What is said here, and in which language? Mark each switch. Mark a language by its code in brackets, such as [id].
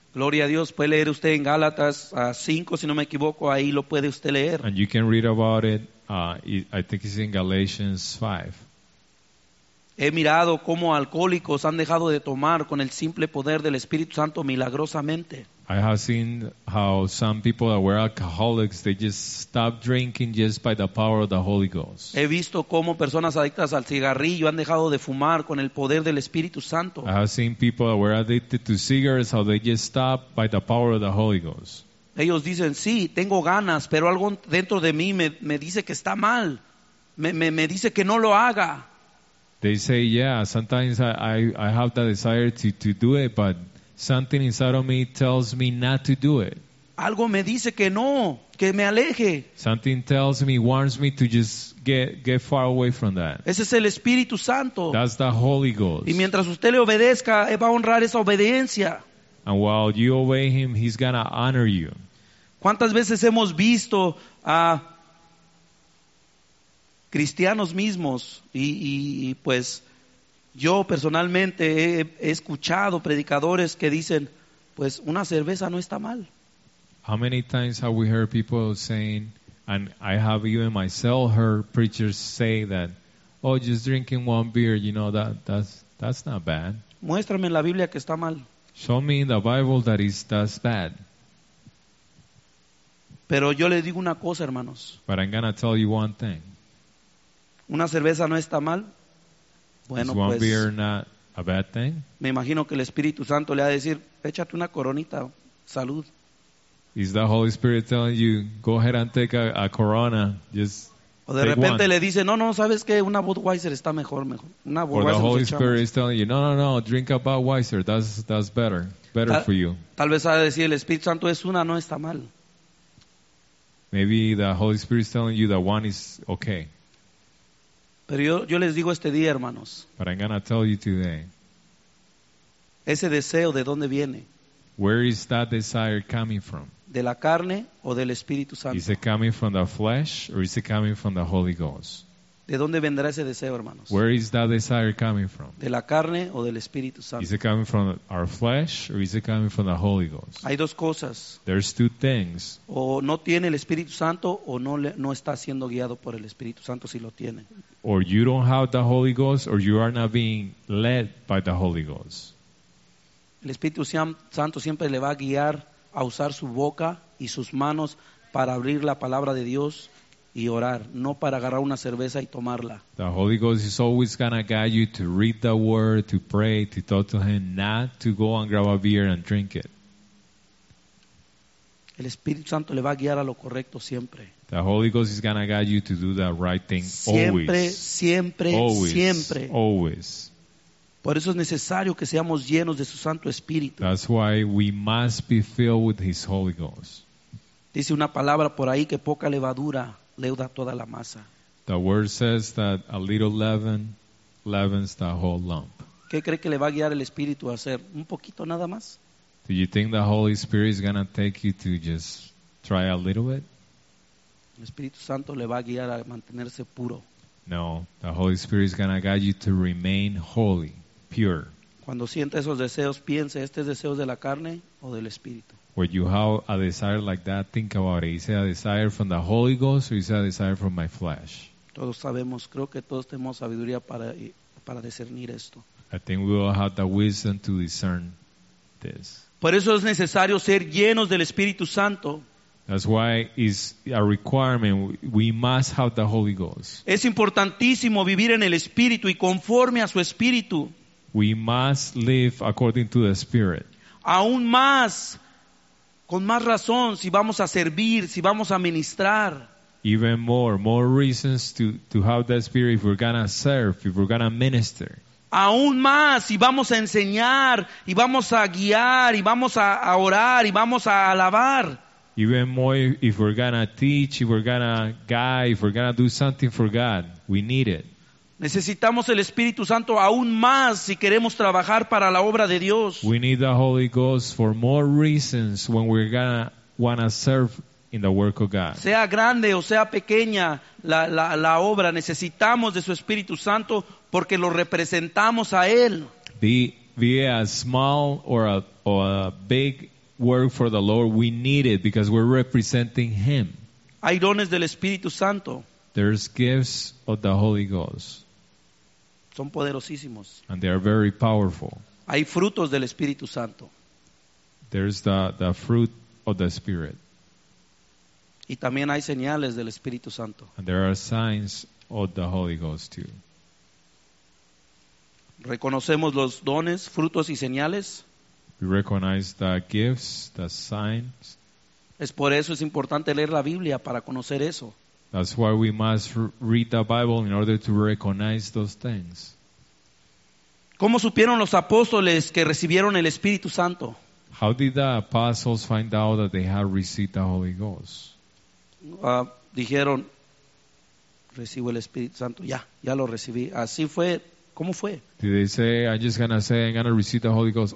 [es] Gloria a Dios. Puede leer usted en Gálatas 5, si no me equivoco, ahí lo puede usted leer. [en] And you can read about it, I think it's in Galatians 5. [es] He mirado cómo alcohólicos han dejado de tomar con el simple poder del Espíritu Santo milagrosamente. [en] I have seen how some people that were alcoholics, they just stopped drinking just by the power of the Holy Ghost. [es] He visto cómo personas adictas al cigarrillo han dejado de fumar con el poder del Espíritu Santo. [en] I have seen people that were addicted to cigarettes, how they just stopped by the power of the Holy Ghost. [es] Ellos dicen, sí, tengo ganas, pero algo dentro de mí me dice que está mal. Me dice que no lo haga. [en] They say, yeah, sometimes I have the desire to do it, but something inside of me tells me not to do it. [es] Algo me dice que no, que me aleje. [en] Something tells me, warns me to just get far away from that. [es] Ese es el Espíritu Santo. [en] That's the Holy Ghost. [es] Y mientras usted le obedezca, él va a honrar esa obediencia. [en] And while you obey him, he's going to honor you. [es] ¿Cuántas veces hemos visto a cristianos mismos? Y pues yo personalmente he escuchado predicadores que dicen, pues una cerveza no está mal. [en] How many times have we heard people saying, and I have even myself heard preachers say that, oh, just drinking one beer, you know, that's not bad. [es] Muéstrame en la Biblia que está mal. [en] Show me in the Bible that is that's bad. [es] Pero yo le digo una cosa, hermanos. [en] But I'm gonna tell you one thing. [es] ¿Una cerveza no está mal? Bueno, [en] is one [es] pues, [en] beer not a bad thing? [es] Me imagino que el Espíritu Santo le va a decir, échate una coronita, salud. [en] Is the Holy Spirit telling you, go ahead and take a corona, just [es] o de repente [en] one. [es] Le dice, no, ¿sabes qué? Una Budweiser está mejor. Una Budweiser. [en] Or the Holy Spirit is telling you, no, drink a Budweiser, that's better. Better [es] tal, [en] for you. [es] Tal vez va a decir, el Espíritu Santo es una, no está mal. [en] Maybe the Holy Spirit is telling you that one is okay. [es] Pero yo les digo este día, hermanos. [en] But I'm gonna tell you today. [es] Ese deseo, ¿de dónde viene? [en] Where is that desire coming from? [es] ¿De la carne o del Espíritu Santo? [en] Is it coming from the flesh or is it coming from the Holy Ghost? [es] ¿De dónde vendrá ese deseo, hermanos? [en] Where is that desire coming from? [es] ¿De la carne o del Espíritu Santo? [en] Is it coming from our flesh or is it coming from the Holy Ghost? [es] Hay dos cosas. [en] There's two things. [es] O no tiene el Espíritu Santo o no está siendo guiado por el Espíritu Santo si lo tiene. [en] Or you don't have the Holy Ghost or you are not being led by the Holy Ghost. [es] El Espíritu Santo siempre le va a guiar a usar su boca y sus manos para abrir la palabra de Dios y orar, no para agarrar una cerveza y tomarla. [en] The Holy Ghost is always gonna guide you to read the word, to pray, to talk to him, not to go and grab a beer and drink it. [es] El Espíritu Santo le va a guiar a lo correcto siempre. [en] The Holy Ghost is gonna guide you to do the right thing [es] siempre, [en] always. [es] Siempre, [en] always, [es] siempre. [en] Always. [es] Por eso es necesario que seamos llenos de su Santo Espíritu. [en] That's why we must be filled with his Holy Ghost. [es] Dice una palabra por ahí que poca levadura leuda toda la masa. [en] The word says that a little leaven leavens the whole lump. [es] ¿Qué cree que le va a guiar el Espíritu a hacer? ¿Un poquito nada más? [en] Do you think the Holy Spirit is going to take you to just try a little bit? [es] El Espíritu Santo le va a guiar a mantenerse puro. [en] No, the Holy Spirit is going to guide you to remain holy, pure. [es] Cuando sienta esos deseos, piense, ¿este es deseo de la carne o del Espíritu? [en] When you have a desire like that, think about it. Is it a desire from the Holy Ghost or is it a desire from my flesh? [es] Todos sabemos, creo que todos tenemos sabiduría para discernir esto. [en] I think we all have the wisdom to discern this. [es] Por eso es necesario ser llenos del Espíritu Santo. [en] That's why it's a requirement. We must have the Holy Ghost. [es] Es importantísimo vivir en el Espíritu y conforme a su Espíritu. [en] We must live according to the Spirit. [es] Aún más, con más razón, si vamos a servir, si vamos a ministrar. [en] Even more reasons to have the Spirit if we're gonna serve, if we're gonna minister. [es] Aún más, si vamos a enseñar, y vamos a guiar, y vamos a orar, y vamos a alabar. [en] Even more, if we're gonna teach, if we're gonna guide, if we're gonna do something for God, we need it. [es] Necesitamos el Espíritu Santo aún más si queremos trabajar para la obra de Dios. [en] We need the Holy Ghost for more reasons when we're gonna wanna serve in the work of God. [es] Sea grande o sea pequeña la obra, necesitamos de su Espíritu Santo porque lo representamos a él. [en] Be it a small or a big work for the Lord, we need it because we're representing Him. [es] Hay dones del Espíritu Santo. [en] There's gifts of the Holy Ghost. [es] Son poderosísimos. [en] And they are very powerful. [es] Hay frutos del Espíritu Santo. [en] There's the fruit of the Spirit. [es] Y también hay señales del Espíritu Santo. [en] And there are signs of the Holy Ghost too. [es] Reconocemos los dones, frutos y señales. [en] We recognize the gifts, the signs. [es] Es por eso es importante leer la Biblia para conocer eso. [en] That's why we must read the Bible in order to recognize those things. [es] ¿Cómo supieron los apóstoles que recibieron el Espíritu Santo? [en] How did the apostles find out that they had received the Holy Ghost? [es] Dijeron, recibo el Espíritu Santo. Ya lo recibí. Así fue. ¿Cómo fue? [en] Did they say, I'm going to receive the Holy Ghost?